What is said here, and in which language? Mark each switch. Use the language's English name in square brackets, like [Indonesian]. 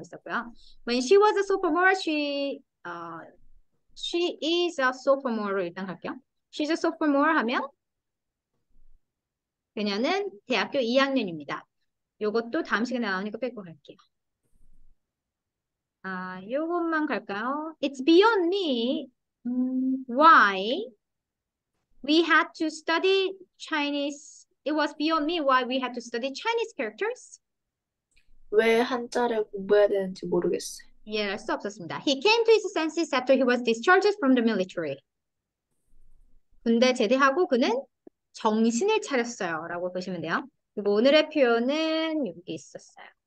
[Korean] 있었고요. [English] When she was a sophomore, she is a sophomore로 [Korean] 일단 갈게요. [English] She's a sophomore [Korean] 하면 그녀는 대학교 2학년입니다. 요것도 다음 시간에 나오니까 빼고 갈게요. 요것만 갈까요? [English] It's beyond me why we had to study Chinese. It was beyond me why we had to study Chinese characters. [Korean] 왜 한자를 공부해야 되는지 모르겠어요. 이해할 수 없었습니다. [English] He came to his senses after he was discharged from the military. [Korean] 군대 제대하고 그는 정신을 차렸어요라고 보시면 돼요. 그리고 오늘의 표현은 여기 있었어요.